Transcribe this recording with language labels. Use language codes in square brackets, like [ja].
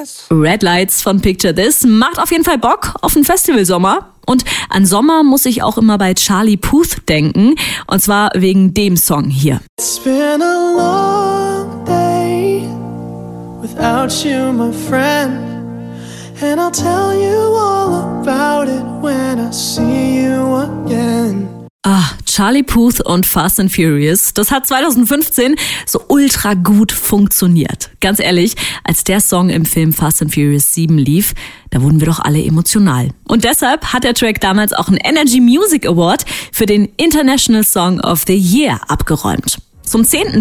[de] Red Lights von Picture This macht auf jeden Fall Bock auf den Festivalsommer. Und an Sommer muss ich auch immer bei Charlie Puth denken. Und zwar wegen dem Song hier. [en] It's been a long day without you, my friend. And I'll tell you all about it when I see you again. [de] Ah, Charlie Puth und Fast and Furious, das hat 2015 so ultra gut funktioniert. Ganz ehrlich, als der Song im Film Fast and Furious 7 lief, da wurden wir doch alle emotional. Und deshalb hat der Track damals auch einen Energy Music Award für den International Song of the Year abgeräumt. Zum 10.